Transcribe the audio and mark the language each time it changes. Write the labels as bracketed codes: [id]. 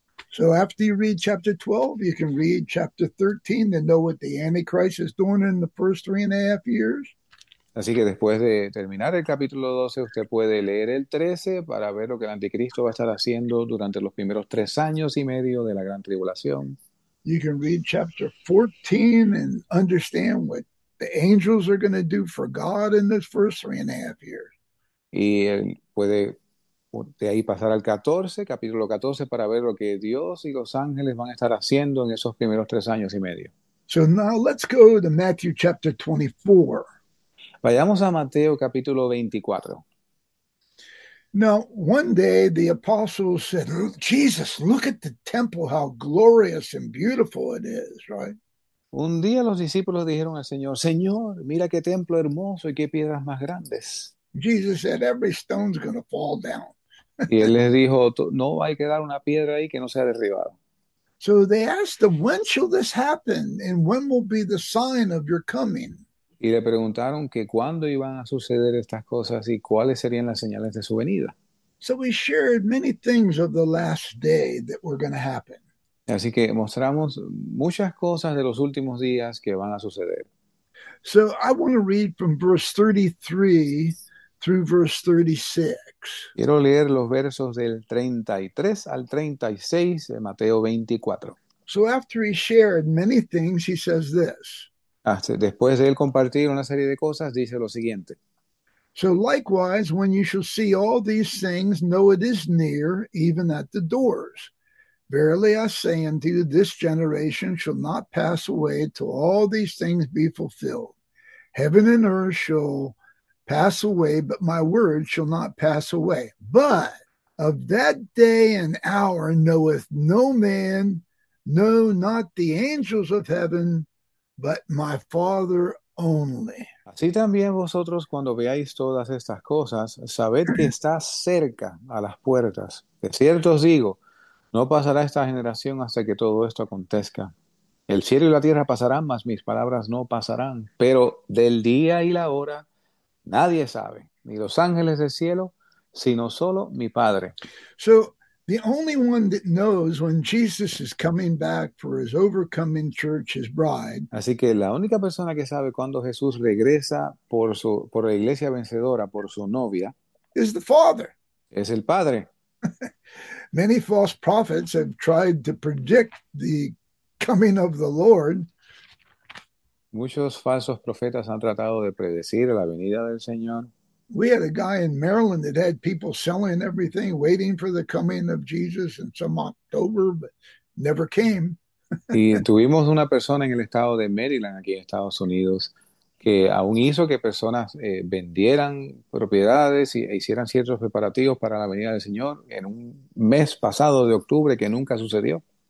[en] So after you read chapter 12, you can read chapter 13 to know what the Antichrist is doing in the first 3.5 years. [es] Así que después de terminar el capítulo 12, usted puede leer el 13 para ver lo que el anticristo va a estar haciendo durante los primeros 3 años y medio de la gran tribulación. [en] You can read chapter 14 and understand what the angels are going to do for God in this first 3.5 years. [es] Y él puede de ahí pasar al 14, capítulo 14, para ver lo que Dios y los ángeles van a estar haciendo en esos primeros 3 años y medio. [en] So now let's go to Matthew chapter 24. [es] Vayamos a Mateo capítulo 24. [en] Now, one day the apostles said, oh, Jesus, look at the temple, how glorious and beautiful it is, right? [es] Un día los discípulos dijeron al Señor: Señor, mira qué templo hermoso y qué piedras más grandes. [en] Jesus said, every stone's going to fall down. [es] Y él les dijo: No va a quedar una piedra ahí que no sea derribada. [en] So they asked them, when shall this happen and when will be the sign of your coming? [es] Y le preguntaron que cuándo iban a suceder estas cosas y cuáles serían las señales de su venida. [en] So we shared many things of the last day that were going to happen. [es] Así que mostramos muchas cosas de los últimos días que van a suceder. [en] So I want to read from verse 33 through verse 36. [es] Quiero leer los versos del 33 al 36 de Mateo 24. [en] So after he shared many things, he says this. [es] Hasta después de él compartir una serie de cosas, dice lo siguiente. [en] So likewise, when you shall see all these things, know it is near, even at the doors. Verily I say unto you, this generation shall not pass away till all these things be fulfilled. Heaven and earth shall pass away, but my word shall not pass away. But of that day and hour knoweth no man, no, not the angels of heaven, but my Father only. [es] Así también vosotros cuando veáis todas estas cosas, sabed que está cerca a las puertas. De cierto os digo, no pasará esta generación hasta que todo esto acontezca. El cielo y la tierra pasarán, mas mis palabras no pasarán. Pero del día y la hora nadie sabe, ni los ángeles del cielo, sino solo mi Padre. [en] So the only one that knows when Jesus is coming back for his overcoming church, his bride, [es] Así que la única persona que sabe cuándo Jesús regresa por la iglesia vencedora, por su novia, [en] is the Father. [es] es el Padre. [en] Many false prophets have tried to predict the coming of the Lord. [es] Muchos falsos profetas han tratado de predecir la venida del Señor. [en] We had a guy in Maryland that had people selling everything, waiting for the coming of Jesus in some October, but never came. [es] Y tuvimos una persona en el estado de Maryland, aquí en Estados Unidos, que aún hizo que personas vendieran propiedades e hicieran ciertos preparativos para la venida del Señor en un mes pasado de octubre que nunca sucedió.